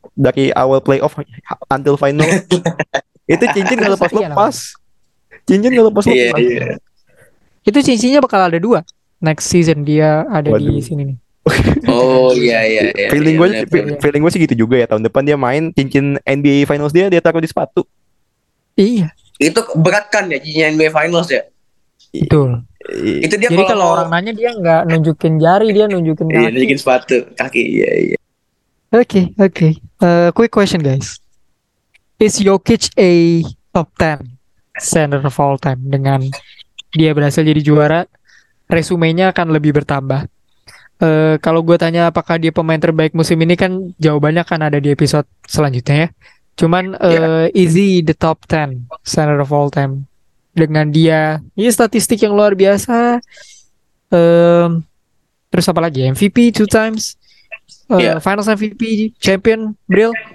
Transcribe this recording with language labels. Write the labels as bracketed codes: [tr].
[id] Dari awal playoff [en] until final. [id] Itu cincin gak lepas-lepas. Cincin gak lepas-lepas. [en] Yeah, yeah. [id] Itu cincinnya bakal ada dua. [en] Next season [id] dia ada. Waduh. Di sini nih. Oh iya, [en] yeah, [id] iya. [en] Yeah, yeah, feeling yeah, [id] gue [en] yeah, yeah. [id] Sih gitu juga ya. Tahun depan dia main cincin NBA Finals dia taruh di sepatu. Iya. [en] Yeah. [id] Itu berat kan ya cincin NBA Finals ya? Betul. Itu dia. Jadi kalau orang nanya dia nggak nunjukin jari, dia nunjukin kaki. Nunjukin sepatu kaki. Iya. [en] Okay. Quick question, guys. Is Jokic a top 10 center of all time? [id] Dengan dia berhasil jadi juara, resumenya akan lebih bertambah. Kalau gue tanya apakah dia pemain terbaik musim ini, kan jawabannya kan ada di episode selanjutnya ya. Cuman [en] is he the top 10 center of all time? [id] Dengan dia, ini statistik yang luar biasa. Terus apa lagi? MVP 2 times. Finals MVP, champion, Brill.